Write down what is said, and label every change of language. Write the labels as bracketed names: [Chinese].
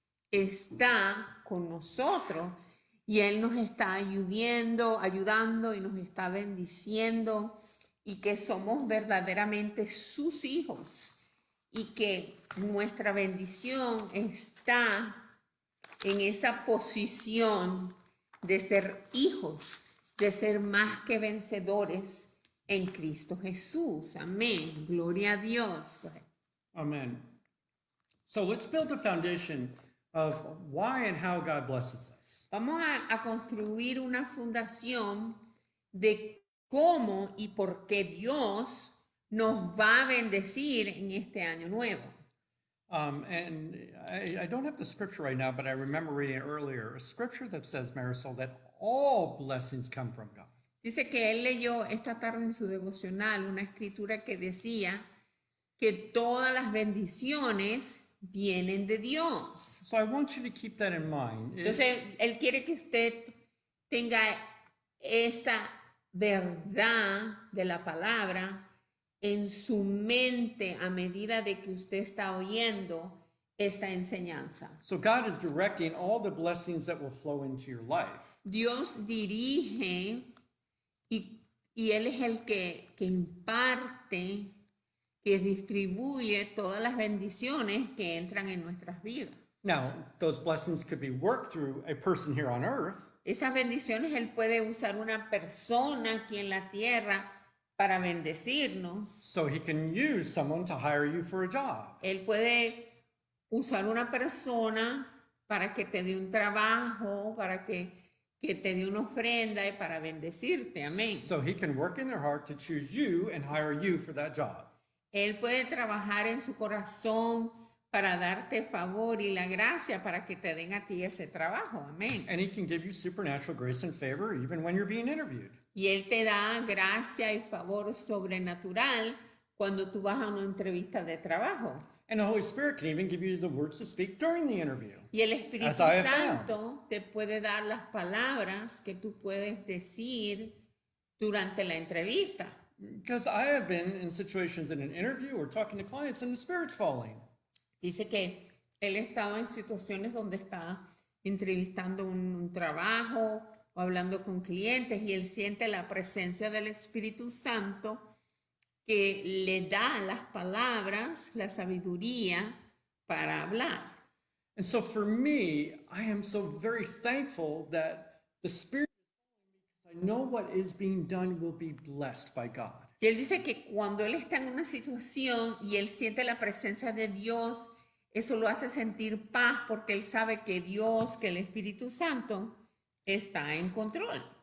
[Spanish] está con nosotros y Él nos está ayudando y nos está bendiciendo y que somos verdaderamente sus hijos y que nuestra bendición está en esa posición de ser hijos, de ser más que vencedores en Cristo Jesús. Amén. Gloria a Dios. Amén. [English] So let's build a foundation of why and how God blesses us. [Spanish] Vamos a construir una fundación de cómo y por qué Dios nos va a bendecir en este año nuevo. [English] And I don't have the scripture right now, but I remember reading it earlier, a scripture that says, Marisol, that all blessings come from God. [Spanish] Dice que él leyó esta tarde en su devocional una escritura que decía que todas las bendiciones vienen de Dios. [English] So I want you to keep that in mind. [Spanish] Entonces, él quiere que usted tenga esta verdad de la palabra en su mente a medida de que usted está oyendo esta enseñanza. [English] So God is directing all the blessings that will flow into your life. [Spanish] Dios dirige y Él es el que imparte, que distribuye todas las bendiciones que entran en nuestras vidas. [English] Now, those blessings could be worked through a person here on earth. [Spanish] Esas bendiciones Él puede usar una persona aquí en la tierra para bendecirnos. [English] So He can use someone to hire you for a job. [Spanish] Él puede usar una persona para que te dé un trabajo, para que te dé una ofrenda y para bendecirte. Amén. [English] So He can work in their heart to choose you and hire you for that job. [Spanish] Él puede trabajar en su corazón para darte favor y la gracia para que te den a ti ese trabajo. Amén. [English] And He can give you supernatural grace and favor even when you're being interviewed. [Spanish] Y Él te da gracia y favor sobrenatural cuando tú vas a una entrevista de trabajo. [English] And the Holy Spirit can even give you the words to speak during the interview. [Spanish] Y el Espíritu Santo te puede dar las palabras que tú puedes decir durante la entrevista. [English] Because I have been in situations in an interview or talking to clients and the Spirit's falling. [Spanish] Dice que él ha estado en situaciones donde está entrevistando un trabajo o hablando con clientes y él siente la presencia del Espíritu Santo que le da las palabras, la sabiduría para hablar. [English] And so for me, I am so very thankful that the Spirit is calling me because I know what is being done will be blessed by God. [Spanish] Y él dice que cuando él está en una situación y él siente la presencia de Dios, eso lo hace sentir paz porque él sabe que Dios, que el Espíritu Santo, está en control.